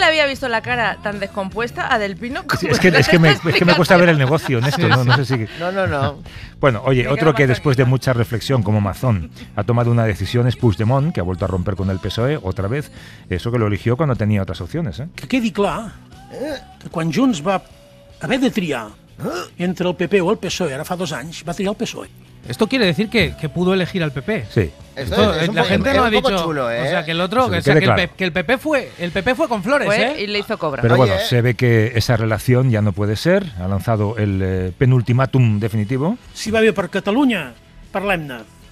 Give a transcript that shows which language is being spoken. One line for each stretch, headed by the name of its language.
Spanish: Le había visto la cara tan descompuesta a Del Pino. Como sí, es que me cuesta ver el negocio en esto, ¿no? No sé si... No. Bueno, oye, otro que después de mucha reflexión como Mazón ha tomado una decisión es Puigdemont, que ha vuelto a romper con el PSOE otra vez. Eso que lo eligió cuando tenía otras opciones, ¿eh?
Catalan: Que quedi clar que quan Junts va haver de triar entre el PP o el PSOE, ara fa dos anys, va triar el PSOE.
Spanish: Esto quiere decir que pudo elegir al PP. Sí. Esto, la gente lo ha dicho. Chulo, ¿eh? O sea, que el otro. Que, o sea, claro. Que el PP fue. El PP fue con Flores, fue, ¿eh? Y le hizo cobra. Pero bueno, se ve que esa relación ya no puede ser. Ha lanzado el penultimátum definitivo. Si va bien por Cataluña,
Catalan: parlem-ne.